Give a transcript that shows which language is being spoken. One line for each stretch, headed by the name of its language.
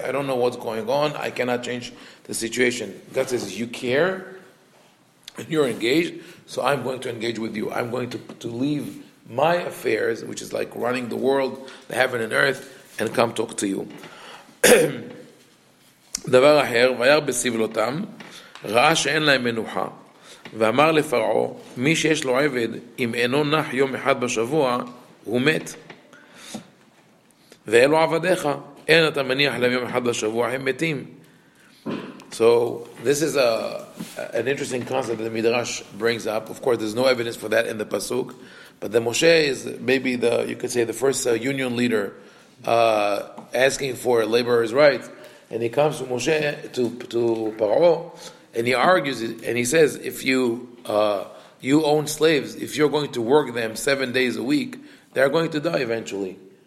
English: I don't know what's going on. I cannot change the situation. God says, you care, and you're engaged, so I'm going to engage with you. I'm going to leave my affairs, which is like running the world, the heaven and earth, and come talk to you.
Hebrew: דבר אחר, ויר בסבלותם, ראה שאין להם מנוחה, ואמר לפרעו, מי שיש לו עבד, אם אינו נח יום אחד בשבוע, הוא מת. ואלו עבדיך, אין אתה מניח להם יום אחד בשבוע, הם מתים.
English: So, this is an interesting concept that the Midrash brings up. Of course, there's no evidence for that in the Pasuk. But the Moshe is maybe the first union leader asking for laborers' rights. And he comes to Moshe, to Paro, and he argues, and he says, if you own slaves, if you're going to work them 7 days a week, they're going to die eventually.